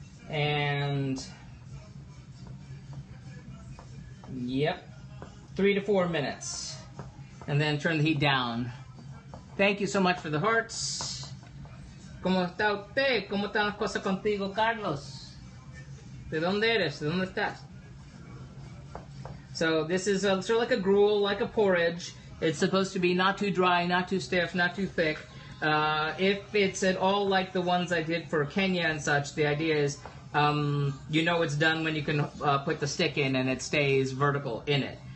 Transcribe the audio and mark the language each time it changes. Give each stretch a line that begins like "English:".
English: And... yep. 3 to 4 minutes. And then turn the heat down. Thank you so much for the hearts.
Spanish: ¿Cómo está usted? ¿Cómo están las cosas contigo, Carlos? ¿De dónde eres? ¿De dónde estás?
English: So this is a, sort of like a gruel, like a porridge. It's supposed to be not too dry, not too stiff, not too thick. If it's at all like the ones I did for Kenya and such, the idea is you know it's done when you can put the stick in and it stays vertical in it.